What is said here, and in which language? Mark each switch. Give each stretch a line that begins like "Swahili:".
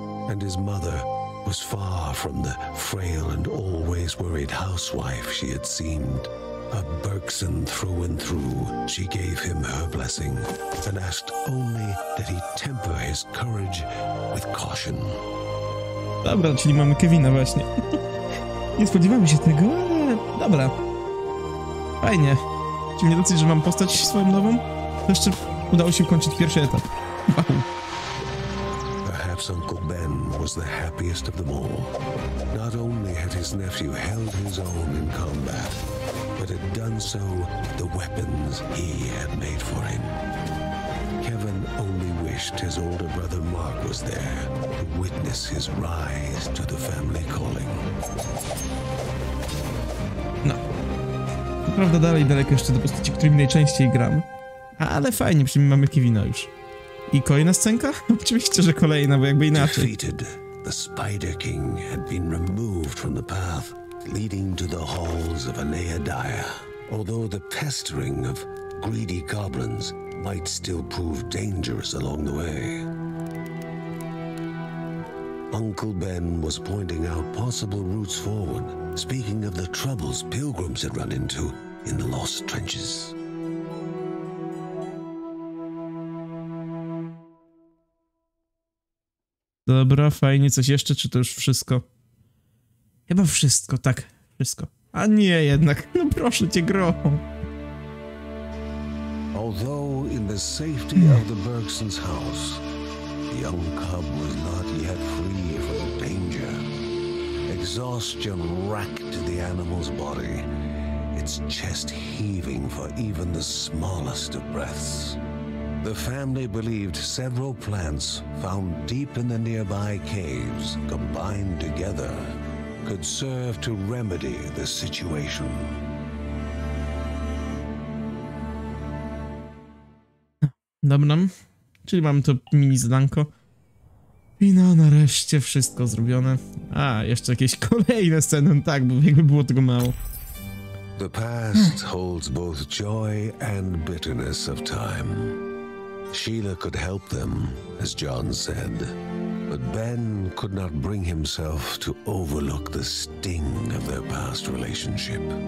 English: And his mother was far from the frail and always worried housewife she had seemed. A Bergson through and through, she gave him her blessing and asked only that he temper his courage with caution.
Polish: Dobra, czyli mamy Kevina właśnie. Nie spodziewałem się tego, ale dobra. Fajnie. Czy mnie dosyć, że mam postać swoją nową? Jeszcze udało się ukończyć pierwszy etap. Wow.
English: Perhaps Uncle Ben was the happiest of them all. Not only had his nephew held his own in combat, but had done so with the weapons he had made for him. Kevin only wished his older brother Mark was there to witness his rise to the family calling.
Polish: No. Prawda, dalej daleko jeszcze do postaci, którymi najczęściej gram. Ale fajnie, przynajmniej mamy Kevina już. I kolejna scenka? Oczywiście, że kolejna, bo jakby inaczej.
English: Defeated, the Spider King had been removed from the path leading to the halls of Anaya Dyer. Although the pestering of greedy goblins might still prove dangerous along the way. Uncle Ben was pointing out possible routes forward, speaking of the troubles pilgrims had run into in the Lost Trenches.
Polish: Dobra, fajnie, coś jeszcze, czy to już wszystko? Chyba wszystko, tak, wszystko. A nie, jednak, no proszę cię, gro.
English: Although in the safety of the Bergson's house, the young cub was not yet free from the danger. Exhaustion racked the animal's body, its chest heaving for even the smallest of breaths. The family believed several plants found deep in the nearby caves, combined together, could serve to remedy the situation.
Polish: Dobra, czyli mamy to mini zadanko. I no, nareszcie wszystko zrobione. A, jeszcze jakieś kolejne sceny, tak, bo jakby było tego mało.
English: The past holds both joy and bitterness of time. Sheila could help them, as John said, but Ben could not bring himself to overlook the sting of their past relationship.